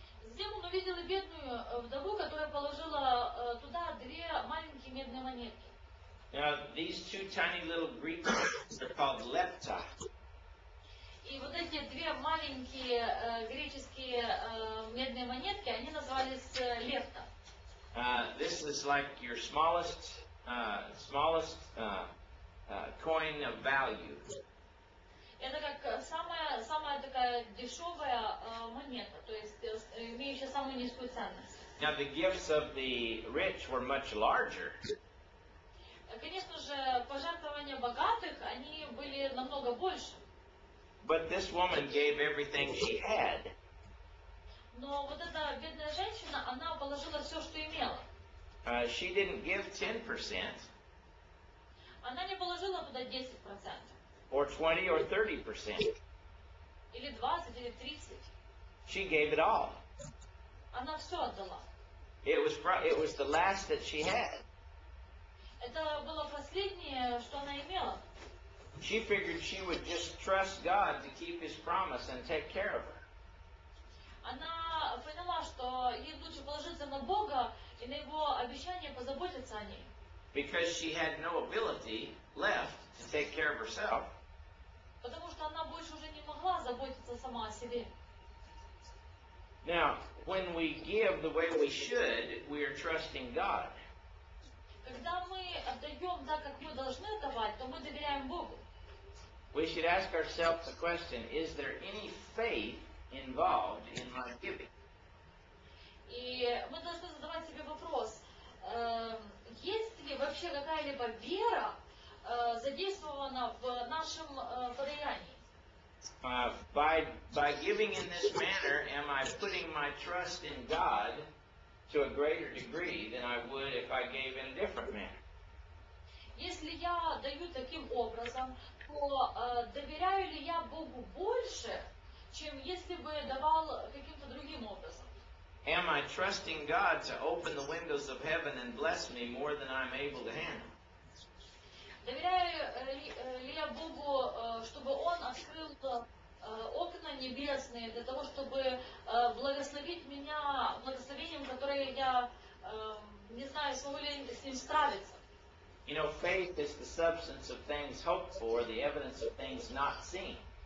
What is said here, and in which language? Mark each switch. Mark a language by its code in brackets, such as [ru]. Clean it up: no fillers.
[ru] Затем он увидел бедную вдову, которая положила туда две маленькие медные монетки. [en] Now, these two tiny little Greek coins are called lepta. [ru] И вот эти две маленькие греческие медные монетки, они назывались лепта. [en] This is like your smallest coin of value. [ru] Это как самая такая дешевая монета, то есть имеющая самую низкую ценность. [en] Now the gifts of the rich were much larger. [ru] Конечно же, пожертвования богатых, они были намного больше. [en] But this woman gave everything she had. [ru] Но вот эта бедная женщина, она положила все, что имела. [en] She didn't give 10%. [ru] Она не положила туда 10%. [en] Or 20 or 30%. [ru] Или 20, или 30. [en] She gave it all. [ru] Она все отдала. [en] It was the last that she had. [ru] Это было последнее, что она имела. [en] She figured she would just trust God to keep His promise and take care of her. [ru] Она поняла, что ей лучше положиться на Бога и на Его обещание позаботиться о ней. [en] Because she had no ability left to take care of herself. [ru] Потому что она больше уже не могла заботиться сама о себе. [en] Now, when we give the way we should, we are trusting God. [ru] Когда мы отдаем так, как мы должны отдавать, то мы доверяем Богу. [en] We should ask ourselves the question, is there any faith involved in my giving? [ru] И мы должны задавать себе вопрос, есть ли вообще какая-либо вера задействована в нашем подаянии? [en] By giving in this manner, am I putting my trust in God to a greater degree than I would if I gave in a different manner? [ru] Если я даю таким образом, то доверяю ли я Богу больше, чем если бы я давал каким-то другим образом? [en] Am I trusting God to open the windows of heaven and bless me more than I'm able to handle? [ru] Доверяю ли я Богу, чтобы Он открыл окна небесные для того, чтобы благословить меня благословением, которое я не знаю, смогу ли с ним справиться? [en] You know, faith is the substance of things hoped for, the evidence of things not seen.